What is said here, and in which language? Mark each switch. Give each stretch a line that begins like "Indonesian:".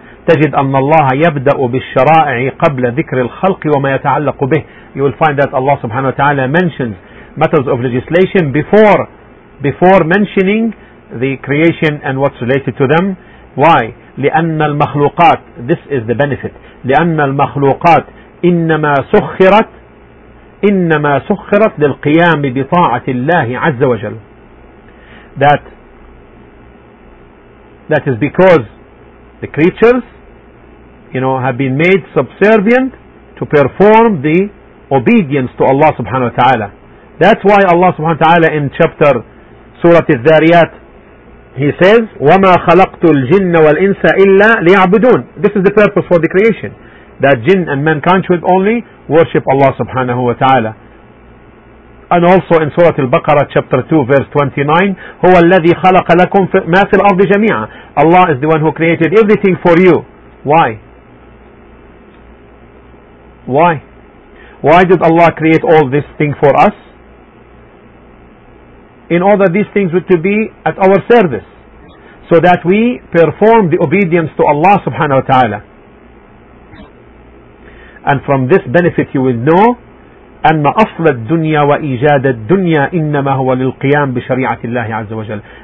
Arabic: تجد أن الله يبدأ بالشرائع قبل ذكر الخلق وما يتعلق به.
English: You will find that Allah subhanahu wa ta'ala mentions matters of legislation before mentioning the creation and what's related to them. Why?
Arabic: لأن المخلوقات,
English: this is the benefit,
Arabic: لأن المخلوقات إنما سخرت للقيام بطاعة الله عز وجل.
English: That is because the creatures, you know, have been made subservient to perform the obedience to Allah subhanahu wa ta'ala. That's why Allah subhanahu wa ta'ala in chapter Surah Al-Dhariyat, He says,
Arabic: وَمَا خَلَقْتُ الْجِنَّ وَالْإِنسَ إِلَّا لِيَعْبُدُونَ.
English: This is the purpose for the creation, that jinn and mankind should only worship Allah subhanahu wa ta'ala. And also in Surah Al-Baqarah chapter 2 verse 29,
Arabic: هُوَ الَّذِي خَلَقَ لَكُمْ مَا فِي الْأَرْضِ جَمِيعًا.
English: Allah is the one who created everything for you. Why? Why? Why did Allah create all this thing for us? In order these things were to be at our service, so that we perform the obedience to Allah subhanahu wa ta'ala. And from this benefit you will know
Arabic: أن أصل الدنيا وإيجاد الدنيا إنما هو للقيام بشريعة الله عز وجل.